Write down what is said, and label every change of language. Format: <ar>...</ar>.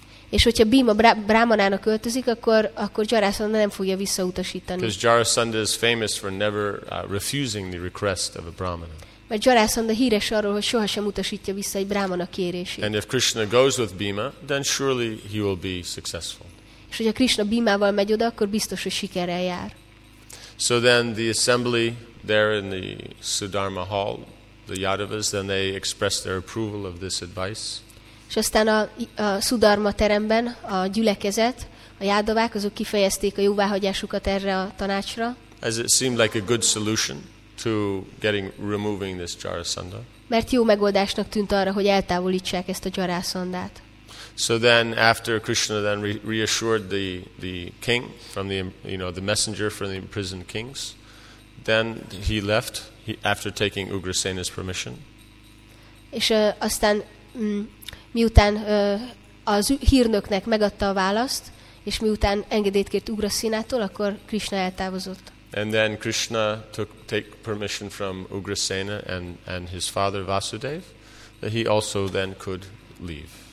<hu>És hogyha Bhima brahmanának öltözik, akkor Jarasandha nem fogja visszautasítani.</hu> <en>Because Jarasandha is famous for never refusing the request of a brahmana.</en> <hu>Mert Jarasandha híres arról, hogy sohasem utasítja vissza egy brahmana kérését.</hu> <en>And if Krishna goes with Bhima, then surely he will be successful.</en> <hu>És hogyha Krishna Bhimával megy oda, akkor biztos, hogy sikerrel jár.</hu> <en>So then the assembly there in the Sudharma Hall, the Yadavas, then they express their approval of this advice.</en> <hu>És aztán a Sudharma teremben a gyülekezet, a Yadavák, azok kifejezték a jóváhagyásukat erre a tanácsra.</hu> <en>As it seemed like a good solution to getting removing this Jarasandha.</en> <hu>Mert jó megoldásnak tűnt arra, hogy eltávolítsák ezt a Jarasandhát.</hu> <en>So then after Krishna then reassured the king from the, you know, the messenger from the imprisoned kings, Then he left after taking Ugrasena's permission.</en> <hu>És aztán miután az hírnöknek megadta a választ, és miután engedélyt kért Ugrasenától, akkor Krishna eltávozott.</hu> <en>And then Krishna took permission from Ugrasena and his father Vasudev that he also then could leave.</en>